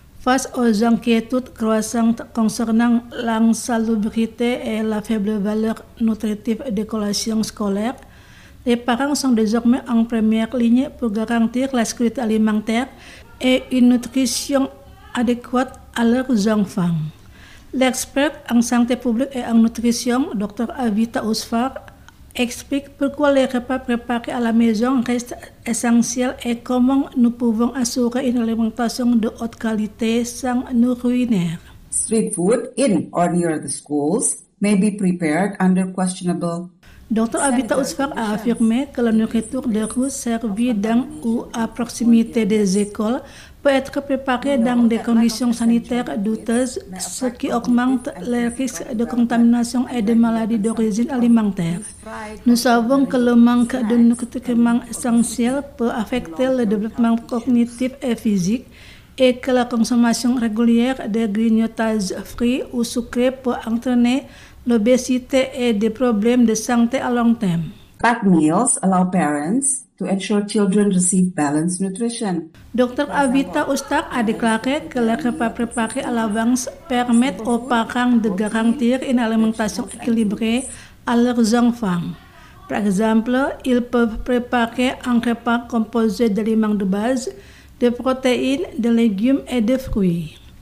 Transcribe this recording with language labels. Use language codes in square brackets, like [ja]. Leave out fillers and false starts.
[fr] Face aux inquiétudes croissantes concernant l'insalubrité et la faible valeur nutritive des collations scolaires, les parents sont désormais en première ligne pour garantir la sécurité alimentaire et une nutrition adéquate à leurs enfants. L'expert en santé publique et en nutrition, Dr. Avita Usfar, explique pourquoi les repas préparés à la maison restent essentiels et comment nous pouvons assurer une alimentation de haute qualité sans nous ruiner. [en] Street food in or near the schools may be prepared under questionable. [fr] Dr. Avita Usfar a affirmé que la nourriture de rue servie dans ou à proximité des écoles peut être préparée dans des conditions sanitaires douteuses, ce qui augmente les risques de contamination et de maladies d'origine alimentaire. Nous savons que le manque de nutriments essentiels peut affecter le développement cognitif et physique et que la consommation régulière de grignotages frits ou sucrés peut entraîner l'obésité et des problèmes de santé à long terme. [en] Packed meals allow parents to ensure children receive balanced nutrition. [fr] Dr. Avita Usfar a déclaré que les repas préparés à l'avance permettent aux parents de garantir une alimentation équilibrée à leurs enfants. Par exemple, ils peuvent préparer un repas composé d'aliments de base, de protéines, de légumes et de fruits.